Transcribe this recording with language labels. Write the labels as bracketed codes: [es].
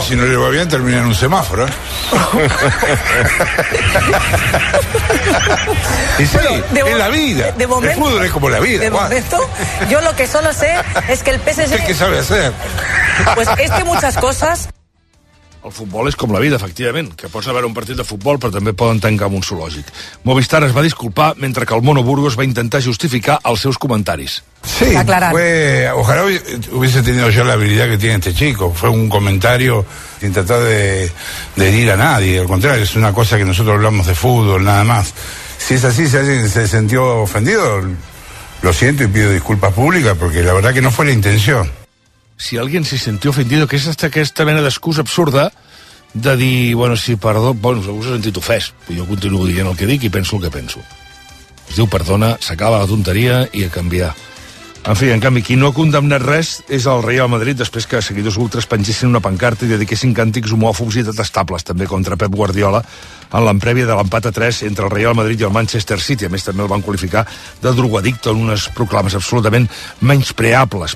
[es] Ojo que si no le va bien termina en un semáforo, ¿eh? Y sí, bueno, en la vida. De momento, el fútbol es como la vida. De momento, yo lo que solo sé es que el PSG... ¿Qué sabe hacer? Pues es que muchas cosas... [ca] El futbol és com la vida, efectivament, que pots haver un partit de futbol però també poden tancar amb un zoològic. Movistar es va disculpar mentre que el Mono Burgos va intentar justificar els seus comentaris. [es] Sí, ojalá hubiese tenido yo la habilidad que tiene este chico. Fue un comentario sin tratar de herir a nadie, al contrario, es una cosa que nosotros hablamos de fútbol, nada más. Si es así, si alguien se sintió ofendido, lo siento y pido disculpas públicas porque la verdad que no fue la intención. Si alguien se sintió ofendido, [ca] que és aquesta mena d'excusa absurda de dir, bueno, si perdó, bueno, us he sentit ofès, jo continuo dient el que dic i penso el que penso. Es diu perdona, s'acaba la tonteria i a canviar. En fi, en canvi, qui no ha condemnat res és el Real Madrid, després que seguidors ultras pengessin una pancarta i dediquessin càntics homòfobs i detestables, també contra Pep Guardiola, en l'emprèvia de l'empat a 3 entre el Real Madrid i el Manchester City. A més, també el van qualificar de drogadicte en unes proclames absolutament menyspreables.